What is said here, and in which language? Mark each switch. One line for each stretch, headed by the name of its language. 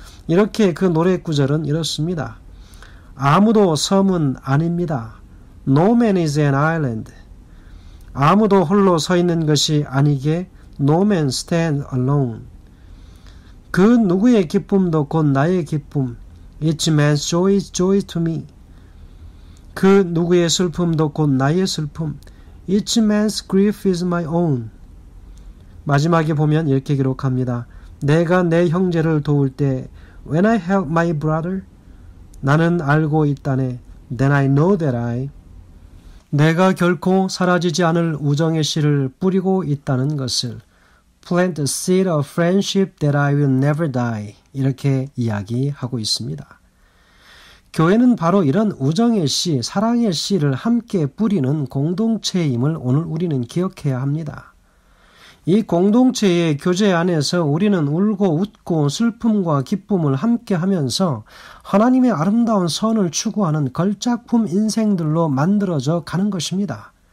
Korean: 이렇게 그 노래 구절은 이렇습니다. 아무도 섬은 아닙니다.
English: No man is an island.
Korean: 아무도 홀로 서 있는 것이 아니게
English: No man stand alone.
Korean: 그 누구의 기쁨도 곧 나의 기쁨.
English: Each man's joy is joy to me.
Korean: 그 누구의 슬픔도 곧 나의 슬픔.
English: Each man's grief is my own.
Korean: 마지막에 보면 이렇게 기록합니다. 내가 내 형제를 도울 때
English: When I help my brother,
Korean: 나는 알고 있다네.
English: Then I know that I
Korean: 내가 결코 사라지지 않을 우정의 씨를 뿌리고 있다는 것을
English: Plant the seed of friendship that I will never die.
Korean: 이렇게 이야기하고 있습니다. 교회는 바로 이런 우정의 씨, 사랑의 씨를 함께 뿌리는 공동체임을 오늘 우리는 기억해야 합니다. 이 공동체의 교제 안에서 우리는 울고 웃고 슬픔과 기쁨을 함께하면서 하나님의 아름다운 선을 추구하는 걸작품 인생들로 만들어져 가는 것입니다.